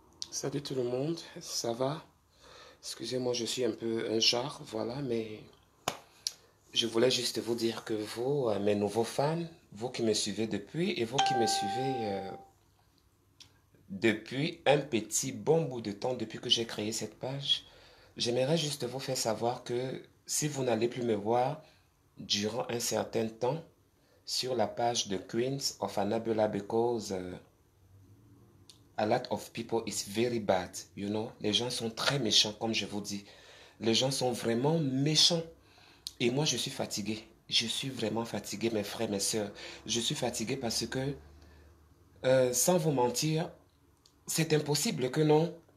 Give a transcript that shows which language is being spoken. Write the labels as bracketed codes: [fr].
[fr] Salut tout le monde, ça va? Excusez-moi, je suis un peu un char, voilà, mais je voulais juste vous dire que vous, mes nouveaux fans, vous qui me suivez depuis et vous qui me suivez depuis un petit bon bout de temps, depuis que j'ai créé cette page, j'aimerais juste vous faire savoir que si vous n'allez plus me voir durant un certain temps sur la page de Queens of Annabella Because. [en] A lot of people is very bad, you know. [fr] Les gens sont très méchants, comme je vous dis. Les gens sont vraiment méchants. Et moi, je suis fatigué. Je suis vraiment fatigué, mes frères, mes soeurs. Je suis fatigué parce que, sans vous mentir, c'est impossible que non.